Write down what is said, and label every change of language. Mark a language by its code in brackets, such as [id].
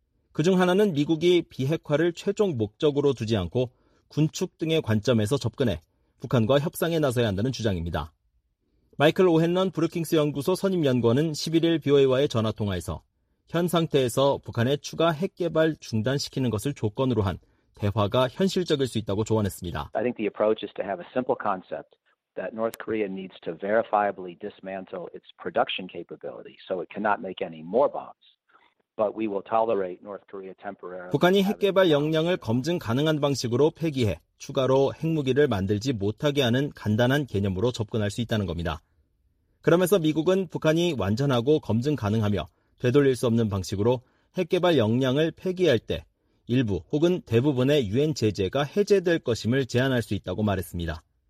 [ko] 그중 하나는 미국이 비핵화를 최종 목적으로 두지 않고 군축 등의 관점에서 접근해 북한과 협상에 나서야 한다는 주장입니다. 마이클 오헨런 브루킹스 연구소 선임연구원은 11일 BOA와의 전화통화에서 현 상태에서 북한의 추가 핵개발 중단시키는 것을 조건으로 한 대화가 현실적일 수 있다고 조언했습니다. [en] I think the approach is to have a simple concept that North Korea needs to verifiably dismantle its production capability so it cannot make any more bombs. But we will tolerate North Korea temporarily. [ko] 북한이 핵개발 역량을 검증 가능한 방식으로 폐기해 추가로 핵무기를 만들지 못하게 하는 간단한 개념으로 접근할 수 있다는 겁니다. 그러면서 미국은 북한이 완전하고 검증 가능하며 되돌릴 수 없는 방식으로 핵개발 역량을 폐기할 때 일부 혹은 대부분의 유엔 제재가 해제될 것임을 제안할 수 있다고 말했습니다.